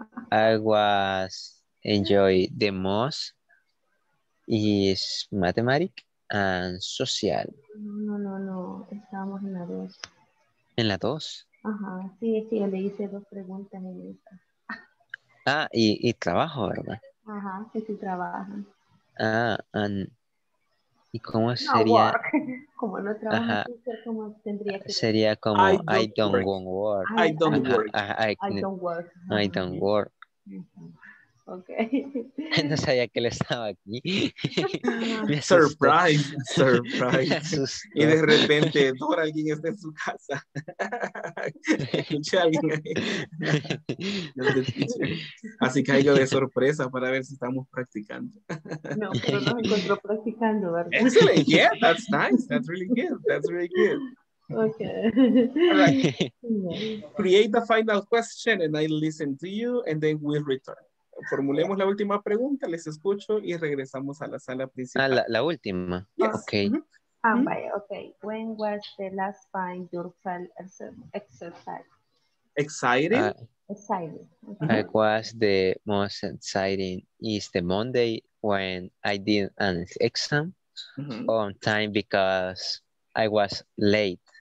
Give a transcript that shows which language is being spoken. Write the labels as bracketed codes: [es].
[en] I was enjoy the most is mathematics and social. [es] No. Estábamos en la dos. ¿En la dos? Ajá, sí, sí, le hice dos preguntas en esa. y trabajo, ¿verdad? Ajá, sí, sí, trabajan. ¿Y cómo sería? No, como no trabaja, ¿cómo tendría que? Sería como, [en] I don't work. I don't work. Ok. [es] No sabía que él estaba aquí. Me asustó. Surprise. Y de repente, Dora, alguien está en su casa. Escuché a alguien ahí. Así caigo de sorpresa para ver si estamos practicando. No, pero nos encontró practicando, ¿verdad? [en] Excellent. Yeah, that's nice. That's really good. Okay. All right. Create a final question and I listen to you and then we'll return. [es] Formulemos la última pregunta, les escucho y regresamos a la sala principal. La última. [en] Yes. Okay. Mm-hmm. Okay. When was the last time you felt excited? Excited? Okay. I was the most exciting is the Monday when I did an exam on time because I was late.